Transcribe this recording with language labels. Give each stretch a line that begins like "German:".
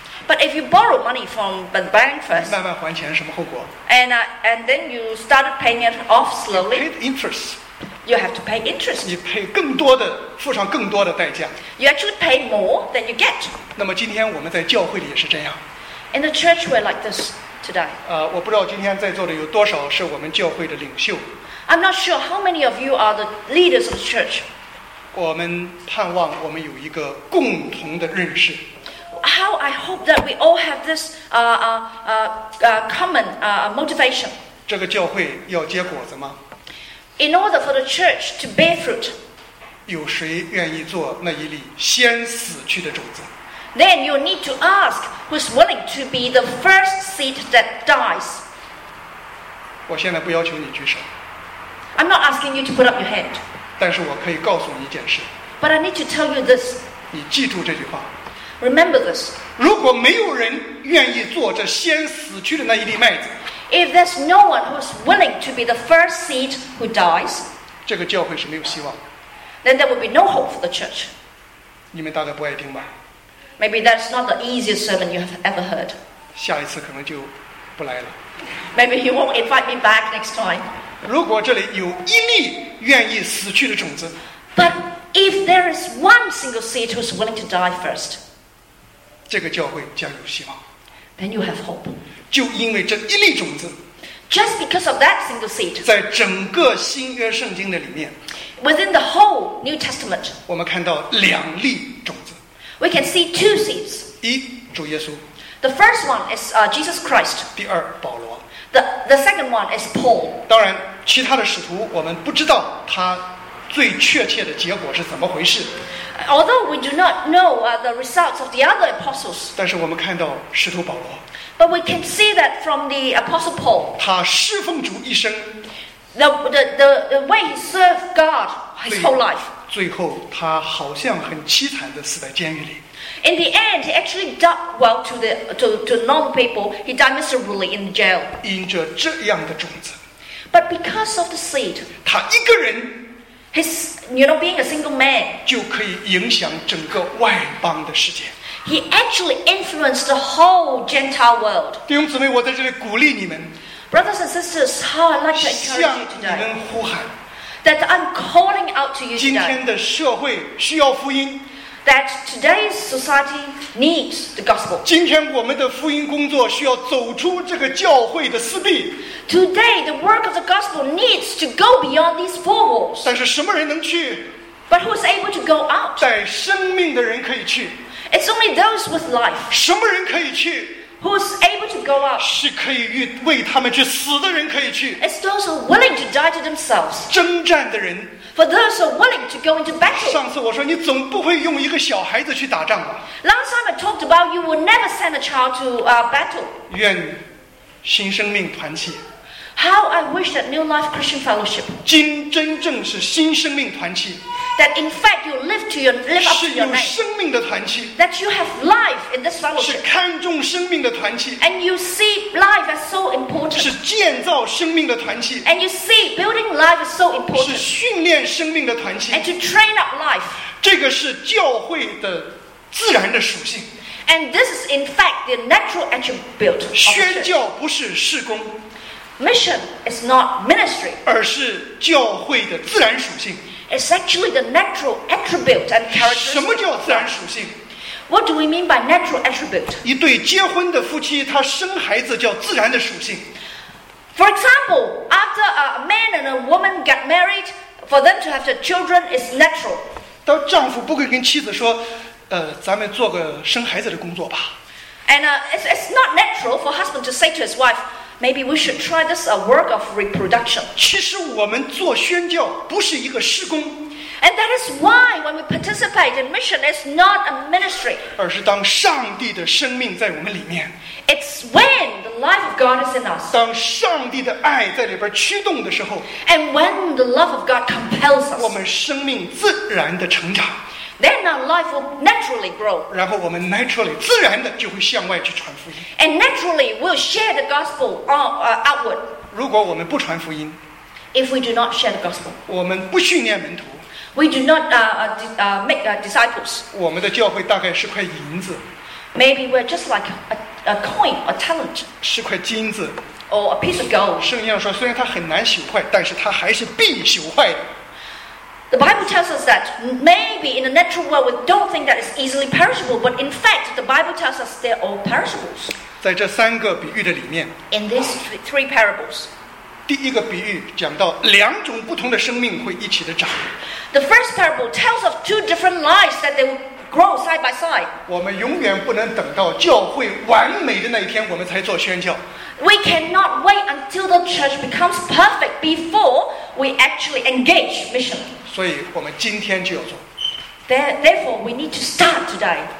English: But if you borrow money from the bank first
Chinese: 慢慢还钱什么后果
English: And then you started paying it off slowly. You pay interest. You have to pay interest.
Chinese: 你赔更多的，付上更多的代价。
English: You actually pay more than you get.
Chinese: 那么今天我们在教会里也是这样。
English: In the church, we're like this today.
Chinese: 我不知道今天在座的有多少是我们教会的领袖。
English: I'm not sure how many of you are the leaders of the church.
Chinese: 我们盼望我们有一个共同的认识。
English: How I hope that we all have this common motivation.
Chinese: 这个教会要结果子吗？
English: In order for the church to bear fruit,
Chinese: 有谁愿意做那一粒先死去的种子？
English: Then you need to ask who's willing to be the first seed that dies.
Chinese: 我现在不要求你举手。
English: I'm not asking you to put up your hand.
Chinese: 但是我可以告诉你一件事。
English: But I need to tell you this.
Chinese: 你记住这句话。
English: Remember this.
Chinese: 如果没有人愿意做这先死去的那一粒麦子。
English: If there's no one who's willing to be the first seed who dies,
Chinese: 这个教会是没有希望的。
English: Then there will be no hope for the church.
Chinese: 你们大概不爱听吧。
English: Maybe that's not the easiest sermon you have ever heard.
Chinese: 下一次可能就不来了。
English: Maybe you won't invite me back next time.
Chinese: 如果这里有一粒愿意死去的种子。
English: But if there is one single seed who's willing to die first,
Chinese: 这个教会将有希望。
English: Then you have hope.
Chinese: 就因为这一粒种子，
English: just because of that single seed,
Chinese: 在整个新约圣经的里面，
English: within the whole New Testament,
Chinese: 我们看到两粒种子，
English: we can see two seeds.
Chinese: 一，主耶稣，
English: the first one is Jesus Christ.
Chinese: 第二，保罗，
English: the second one is Paul.
Chinese: 当然，其他的使徒我们不知道他最确切的结果是怎么回事。
English: Although we do not know the results of the other apostles,
Chinese: 但是我们看到使徒保罗，
English: but we can see that from the apostle Paul,
Chinese: 他侍奉主一生，
English: the way he served God his whole life,
Chinese: 最后他好像很凄惨的死在监狱里。
English: In the end, he actually died well to the to normal people. He died miserably in jail.
Chinese: 因着这样的种子，
English: but because of the seed,
Chinese: 他一个人。
English: His, you know, being a single man,
Chinese: 就可以影响整个外邦的世界。
English: He actually influenced the whole Gentile world.
Chinese: 弟兄姊妹，我在这里鼓励你们。
English: Brothers and sisters, how I'd like to encourage you today.
Chinese: 向你们呼喊。
English: That I'm calling out to you today.
Chinese: 今天的社会需要福音。
English: That today's society needs the gospel.
Chinese: 今天我们的福音工作需要走出这个教会的四壁。
English: Today, the work of the gospel needs to go beyond these four walls.
Chinese: 但是什么人能去？
English: But who's able to go out?
Chinese: 带生命的人可以去。
English: It's only those with life.
Chinese: 什么人可以去？
English: Who's able to go out?
Chinese: 是可以为他们去死的人可以去。
English: It's those who are willing to die to themselves.
Chinese: 征战的人。
English: For those who are willing to go into battle.
Chinese: 上次我说你总不会用一个小孩子去打仗吧？
English: Last time I talked about you will never send a child to battle.
Chinese: 愿新生命团契。
English: How I wish that New Life Christian Fellowship.
Chinese: 今真正是新生命团契。
English: That in fact you live to your live up to your name.
Chinese: 是有生命的团契。
English: That you have life in this fellowship.
Chinese: 是看重生命的团契。
English: And you see life as so important.
Chinese: 是建造生命的团契。
English: And you see building life is so important.
Chinese: 是训练生命的团契。
English: And to train up life.
Chinese: 这个是教会的自然的属性。
English: And this is in fact the natural attribute.
Chinese: 宣教不是事工。
English: Mission is not ministry.
Chinese: 而是教会的自然属性。
English: It's actually the natural attribute and characteristic.
Chinese: 什么叫自然属性？
English: What do we mean by natural attribute?
Chinese: 一对结婚的夫妻，他生孩子叫自然的属性。
English: For example, after a man and a woman get married, for them to have the children is natural.
Chinese: 当丈夫不会跟妻子说，咱们做个生孩子的工作吧。
English: And it's not natural for husband to say to his wife. Maybe we should try this a work of reproduction.
Chinese: 其实我们做宣教不是一个事工。
English: And that is why when we participate in mission, it's not a ministry.
Chinese: 而是当上帝的生命在我们里面。
English: It's when the life of God is in us.
Chinese: 当上帝的爱在里边驱动的时候。
English: And when the love of God compels us.
Chinese: 我们生命自然的成长。
English: Then our life will naturally grow.
Chinese: 然后我们
English: naturally
Chinese: 自然的就会向外去传福音。
English: And naturally we'll share the gospel outward.
Chinese: 如果我们不传福音，
English: if we do not share the gospel,
Chinese: 我们不训练门徒，
English: we do not make disciples.
Chinese: 我们的教会大概是块银子，
English: maybe we're just like a coin, a talent.
Chinese: 是块金子，
English: or a piece of gold.
Chinese: 圣经上说，虽然它很难朽坏，但是它还是必朽坏的。
English: The Bible tells us that maybe in the natural world we don't think that it's easily perishable, but in fact the Bible tells us they're all perishables.
Chinese: 在这三个比喻的里面，
English: in these three parables,
Chinese: 第一个比喻讲到两种不同的生命会一起的长。
English: The first parable tells of two different lives that they will grow side by side.
Chinese: 我们永远不能等到教会完美的那一天，我们才做宣教。
English: We cannot wait until the church becomes perfect before we actually engage mission.
Chinese: 所以我们今天就要做。 Therefore, we need to start today.